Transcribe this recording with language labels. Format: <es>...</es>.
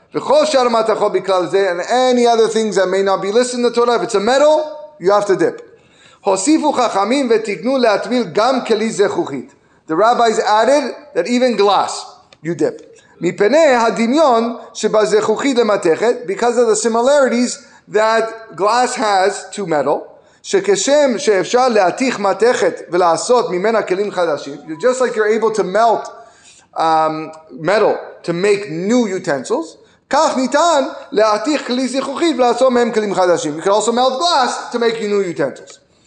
<he>V'chol shar matachot biklal zeh,</he> <en>and any other things that may not be listed in the Torah, if it's a metal, you have to dip.</en> <he>Hosifu chachamim v'tiknu le'atvil gam keli zechuchit.</he> <en>The rabbis added that even glass, you dip.</en> <he>Mipenei hadimyon shebazechuchit lematechet,</he> <en>because of the similarities that glass has to metal.</en> <he>שכשם שאפשר להתיך מתכת ולעשות ממנה כלים חדשים,</he> <en>just like you're able to melt metal to make new utensils,</en> <he>כך ניתן להתיך כלי זכוכית ולעשות מהם כלים חדשים.</he> <en>You can also melt glass to make new utensils.</en>